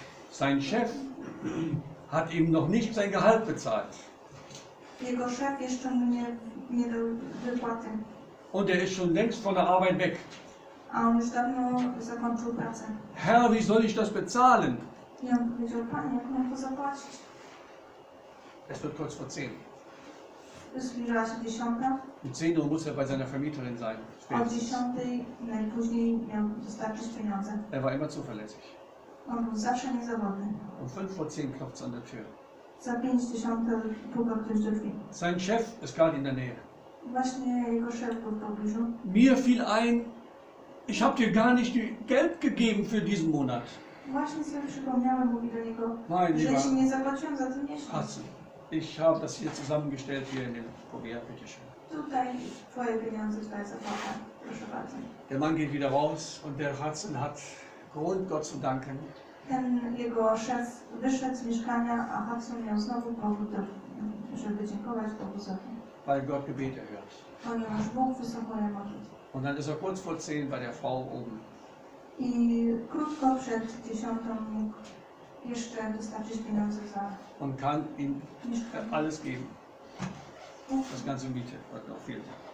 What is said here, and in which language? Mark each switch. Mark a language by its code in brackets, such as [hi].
[de] Sein Chef hat ihm noch nicht sein Gehalt bezahlt. [pl] Jego Chef jeszcze nie dał wypłaty. [de] Und er ist schon längst von der Arbeit weg. [pl] A on już dawno zakończył pracę. [de] Herr, wie soll ich das bezahlen? [pl] I on powiedział, Panie, jak mam to zapłacić? [de] Es wird kurz vor 10. [pl] Zbliżała się 10. [de] Um 10 Uhr muss er bei seiner Vermieterin sein. Spätestens. [pl] O 10 najpóźniej miał dostarczyć pieniądze. [de] Er war immer zuverlässig. [pl] On był zawsze niezawodny. [de] Um 5 vor 10 klopft es an der Tür. [pl] Za 5 puka ktoś do drzwi. [de] Sein Chef ist gerade in der Nähe. [pl] Właśnie jego szef był w pobliżu. [de] Mir fiel ein, ich habe dir gar nicht Geld gegeben für diesen Monat. [pl] Właśnie sobie przypomniałem, mówi do niego, [de] Nein, [pl] że [de] lieber, [pl] ich nie zapłaciłem za ten miesiąc. [de] Hasse, ich habe das hier zusammengestellt hier in den Kuvert, bitte schön. [pl] Tutaj twoje pieniądze, twoje zapłata, proszę bardzo. [de] Der Mann geht wieder raus und der Hasse hat Grund, Gott zu danken. [pl] Ten jego szef wyszedł z mieszkania, a Hudson miał znowu powód, żeby dziękować Bogu za to. [de] Weil Gott Gebete hört. [pl] Ponieważ Bóg wysłuchał jego modlitwy. [de] Und dann ist er kurz vor 10 bei der Frau oben. [pl] I krótko przed 10 mógł jeszcze dostarczyć pieniądze za [de] Und kann ihm [pl] mieszkanie. [de] Alles geben. Das ganze Miete, was noch fehlt.